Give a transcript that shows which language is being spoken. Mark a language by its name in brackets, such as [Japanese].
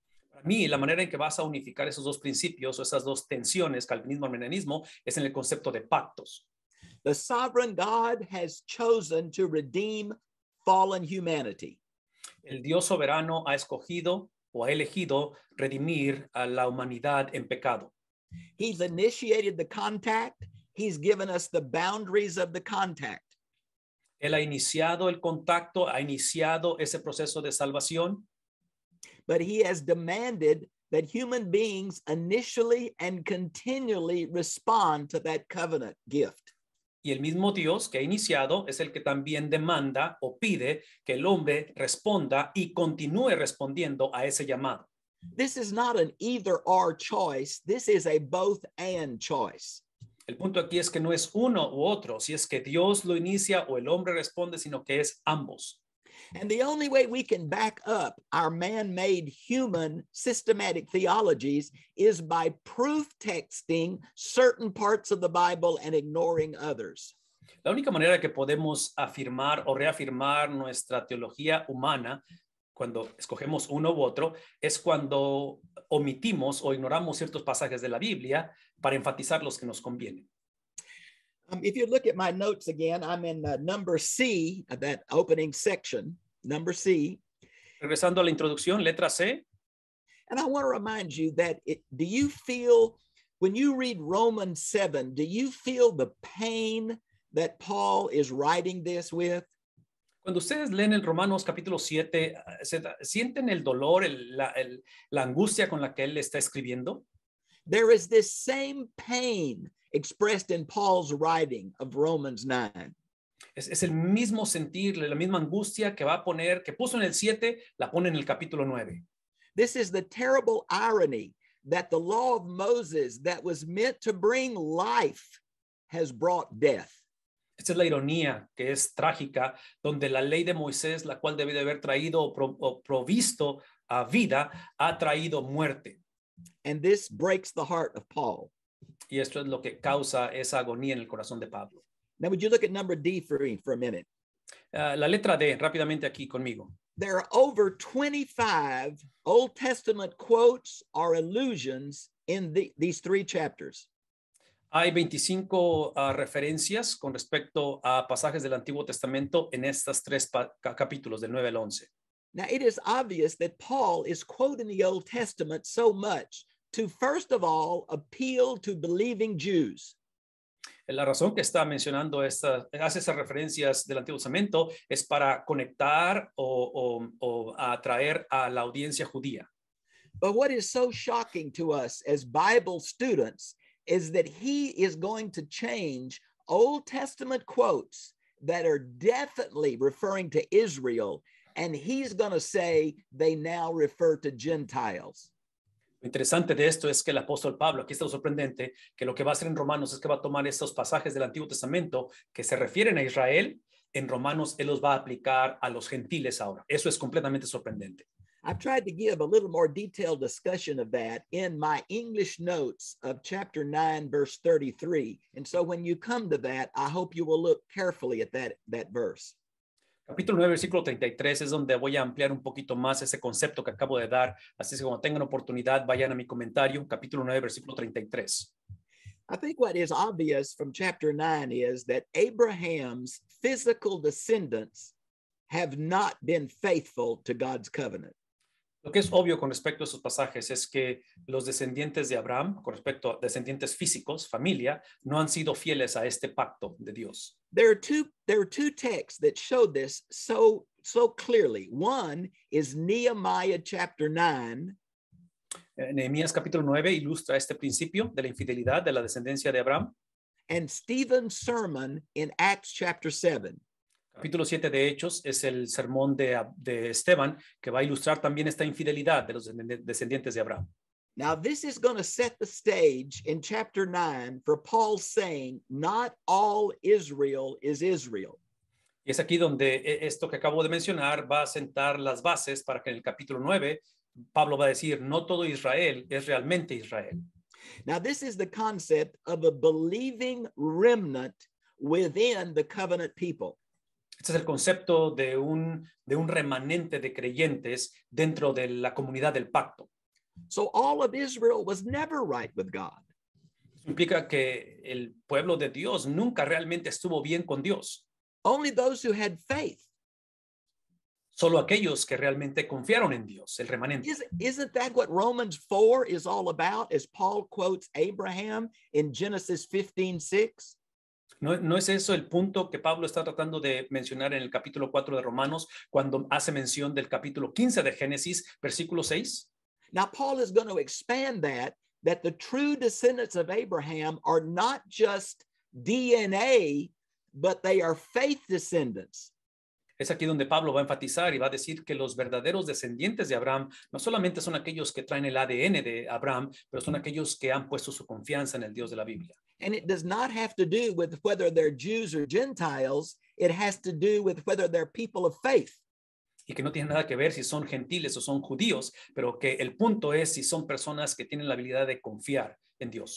[Spanish] Para mí, la manera en que vas a unificar esos dos principios o esas dos tensiones, calvinismo y arminianismo, es en el concepto de pactos. [English] The sovereign God has chosen to redeem fallen humanity. [Spanish] El Dios soberano ha escogido o ha elegido redimir a la humanidad en pecado. [English] He's initiated the contact. He's given us the boundaries of the contact. [Spanish] Él ha iniciado el contacto, ha iniciado ese proceso de salvación. [English] But he has demanded that human beings initially and continually respond to that covenant gift. [Spanish] Y el mismo Dios que ha iniciado es el que también demanda o pide que el hombre responda y continúe respondiendo a ese llamado. [English] This is not an either or choice. This is a both and choice. [Spanish] El punto aquí es que no es uno u otro, si es que Dios lo inicia o el hombre responde, sino que es ambos. [English] And the only way we can back up our man-made human systematic theologies is by proof texting certain parts of the Bible and ignoring others. [Spanish] La única manera que podemos afirmar o reafirmar nuestra teología humana cuando escogemos uno u otro es cuando omitimos o ignoramos ciertos pasajes de la Biblia para enfatizar los que nos convienen. [English] If you look at my notes again, I'm in number C of that opening section, number C. [Spanish] Regresando a la introducción, letra C. [English] And I want to remind you that do you feel, when you read Romans 7, do you feel the pain that Paul is writing this with? [Spanish] Cuando ustedes leen el Romanos capítulo 7, ¿sienten el dolor, la angustia con la que él está escribiendo? [English] There is this same pain expressed in Paul's writing of Romans 9. [Spanish] Es el mismo sentir, la misma angustia que va a poner, que puso en el 7, la pone en el capítulo 9. [English] This is the terrible irony that the law of Moses that was meant to bring life has brought death. [Spanish] Esta es la ironía que es trágica, donde la ley de Moisés, la cual debió de haber traído o provisto a vida, ha traído muerte. [English] And this breaks the heart of Paul. [Spanish] Y esto es lo que causa esa agonía en el corazón de Pablo. [English] Now, would you look at number D for a minute? [Spanish] La letra D, rápidamente aquí conmigo. [English] There are over 25 Old Testament quotes or allusions in these three chapters. [Spanish] Hay 25 referencias con respecto a pasajes del Antiguo Testamento en estas tres capítulos del 9 al 11. [English] Now it is obvious that Paul is quoting the Old Testament so much to, first of all, appeal to believing Jews. [Spanish] La razón que está mencionando esta, hace esas referencias del Antiguo Testamento es para conectar o atraer a la audiencia judía. [English] But what is so shocking to us as Bible students is that he is going to change Old Testament quotes that are definitely referring to Israel, and he's going to say they now refer to Gentiles. [Spanish] Interesante de esto es que el apóstol Pablo, aquí está lo sorprendente, que lo que va a hacer en Romanos es que va a tomar estos pasajes del Antiguo Testamento que se refieren a Israel, en Romanos él los va a aplicar a los gentiles ahora. Eso es completamente sorprendente. [English] I've tried to give a little more detailed discussion of that in my English notes of chapter 9, verse 33. And so when you come to that, I hope you will look carefully at that verse. [Spanish] Capítulo 9, versículo 33, es donde voy a ampliar un poquito más ese concepto que acabo de dar. Así que cuando tengan oportunidad, vayan a mi comentario, capítulo 9, versículo 33. [English] I think what is obvious from chapter 9 is that Abraham's physical descendants have not been faithful to God's covenant. [Spanish] Lo que es obvio con respecto a esos pasajes es que los descendientes de Abraham, con respecto a descendientes físicos, familia, no han sido fieles a este pacto de Dios. [English] There are two texts that show this so clearly. One is Nehemiah chapter 9. [Spanish] Nehemías capítulo 9 ilustra este principio de la infidelidad de la descendencia de Abraham. [English] And Stephen's sermon in Acts chapter 7. [Spanish] Capítulo 7 de Hechos es el sermón de Esteban que va a ilustrar también esta infidelidad de los descendientes de Abraham. [English] Now this is going to set the stage in chapter 9 for Paul saying not all Israel is Israel. [Spanish] Y es aquí donde esto que acabo de mencionar va a sentar las bases para que en el capítulo 9 Pablo va a decir no todo Israel es realmente Israel. [English] Now this is the concept of a believing remnant within the covenant people. [Spanish] Este es el concepto de un remanente de creyentes dentro de la comunidad del pacto. [English] So all of Israel was never right with God. [Spanish] Implica que el pueblo de Dios nunca realmente estuvo bien con Dios. [English] Only those who had faith. [Spanish] Solo aquellos que realmente confiaron en Dios, el remanente. [English] Isn't that what Romans 4 is all about, as Paul quotes Abraham in Genesis 15:6? [Spanish] ¿No es eso el punto que Pablo está tratando de mencionar en el capítulo 4 de Romanos cuando hace mención del capítulo 15 de Génesis, versículo 6? [English] Now Paul is going to expand that the true descendants of Abraham are not just DNA, but they are faith descendants. [Spanish] Es aquí donde Pablo va a enfatizar y va a decir que los verdaderos descendientes de Abraham no solamente son aquellos que traen el ADN de Abraham, pero son aquellos que han puesto su confianza en el Dios de la Biblia. [English] And it does not have to do with whether they're Jews or Gentiles. It has to do with whether they're people of faith. [Spanish] Y que no tiene nada que ver si son gentiles o son judíos, pero que el punto es si son personas que tienen la habilidad de confiar en Dios.